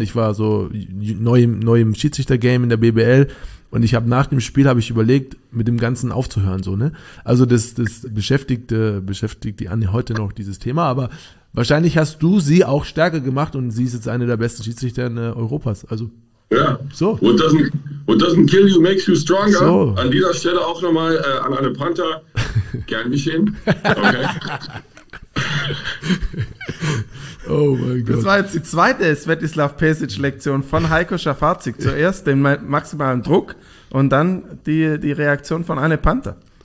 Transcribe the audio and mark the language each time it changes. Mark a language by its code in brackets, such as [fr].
[de] Ich war so neu im Schiedsrichter-Game in der BBL und ich habe nach dem Spiel habe ich überlegt, mit dem Ganzen aufzuhören. So, ne? Also das beschäftigt die Anne heute noch, dieses Thema, aber wahrscheinlich hast du sie auch stärker gemacht und sie ist jetzt eine der besten Schiedsrichter Europas. Also, ja, so. [en] What doesn't kill you makes you stronger. [de] So. An dieser Stelle auch nochmal an Anne Panther. Gern geschehen. Okay. Oh mein Gott. Das war jetzt die zweite Svetislav Pesic-Lektion von Heiko Schafazik. Zuerst den maximalen Druck und dann die Reaktion von Anne Panther.